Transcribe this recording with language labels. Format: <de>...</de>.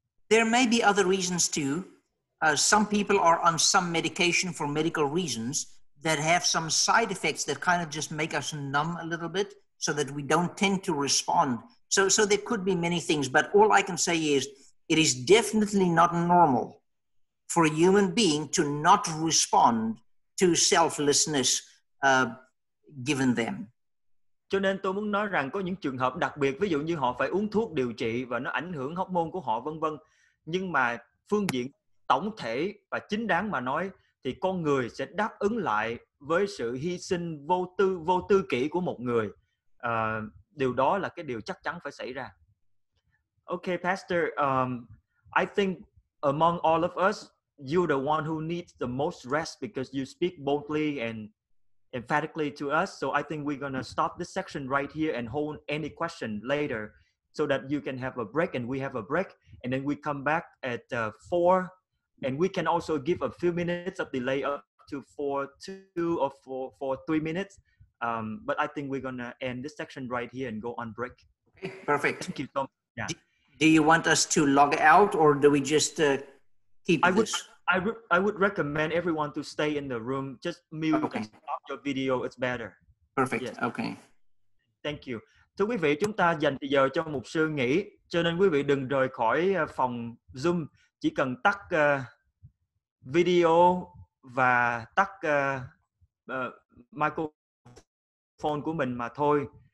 <en>There may be other reasons too. Some people are on some medication for medical reasons that have some side effects that kind of just make us numb a little bit so that we don't tend to respond. So there could be many things, but all I can say is it is definitely not normal for a human being to not respond to selflessness given them.</en> <vi>Cho nên tôi muốn nói rằng có những trường hợp đặc biệt, ví dụ như họ phải uống thuốc điều trị và nó ảnh hưởng hormone của họ vân vân. Nhưng mà phương diện tổng thể và chính đáng mà nói thì con người sẽ đáp ứng lại với sự hy sinh vô tư kỷ của một người. Điều đó là cái điều chắc chắn phải xảy ra.</vi> <en>Okay, Pastor, I think among all of us, you're the one who needs the most rest because you speak boldly and emphatically to us. So I think we're going to stop this section right here and hold any question later so that you can have a break and we have a break. And then we come back at 4 and we can also give a few minutes of delay up to 4-2 or 4-3 minutes. But I think we're going to end this section right here and go on break. Okay, perfect. Thank you so much. Yeah. Do you want us to log out or do we just keep this? I would recommend everyone to stay in the room. Just mute okay. And stop your video. It's better. Perfect. Yes. Okay. Thank you.</en> <vi>Thưa quý vị, chúng ta dành giờ cho mục sư nghỉ. Cho nên quý vị đừng rời khỏi phòng Zoom. Chỉ cần tắt video và tắt microphone của mình mà thôi.</vi>